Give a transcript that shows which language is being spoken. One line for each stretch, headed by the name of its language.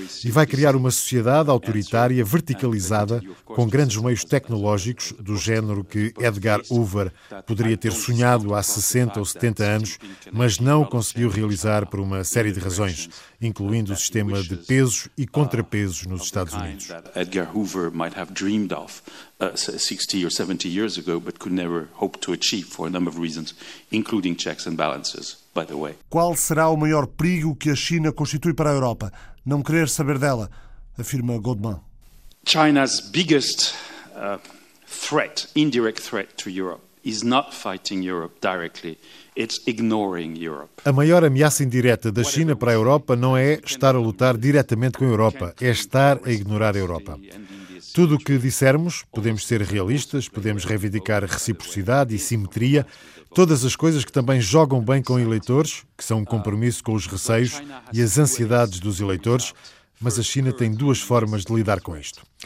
Portuguese: E vai criar uma sociedade autoritária, verticalizada, com grandes meios tecnológicos do género que Edgar Hoover poderia ter sonhado há 60 ou 70 anos, mas não conseguiu realizar por uma série de razões, incluindo o sistema de pesos e contrapesos nos Estados Unidos.
English: Edgar Hoover might have dreamed of 60 or 70 years ago, but could never hope to achieve for a number of reasons, including checks and balances, by the way.
Portuguese: Qual será o maior perigo que a China constitui para a Europa? Não querer saber dela, afirma Goldman.
English: China's biggest threat, indirect threat to Europe, is not fighting Europe directly. It's ignoring Europe.
Portuguese: A maior ameaça indireta da China para a Europa não é estar a lutar diretamente com a Europa, é estar a ignorar a Europa. Tudo o que dissermos, podemos ser realistas, podemos reivindicar reciprocidade e simetria, todas as coisas que também jogam bem com eleitores, que são um compromisso com os receios e as ansiedades dos eleitores, mas a China tem duas formas de lidar com isto.